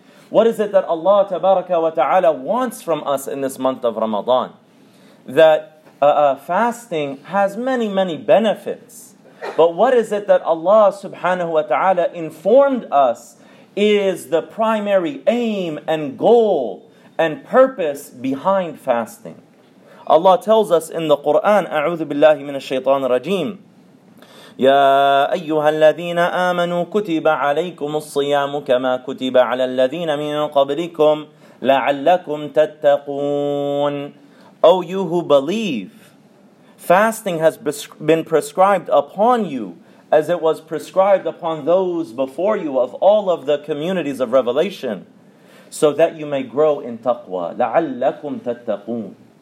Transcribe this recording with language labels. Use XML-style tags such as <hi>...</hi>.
<en>What is it that Allah tabaraka wa ta'ala wants from us in this month of Ramadan? That fasting has many, many benefits. But what is it that Allah subhanahu wa ta'ala informed us is the primary aim and goal and purpose behind fasting? Allah tells us in the Qur'an,</en> <ar>أعوذ بالله من الشيطان الرجيم يا أيها الذين آمنوا كتب عليكم الصيام كما كتب على الذين من قبلكم لعلكم تتقون.</ar> <en>O you who believe, fasting has been prescribed upon you as it was prescribed upon those before you of all of the communities of revelation, so that you may grow in taqwa.</en> <ar>لَعَلَّكُمْ تَتَّقُونَ.</ar>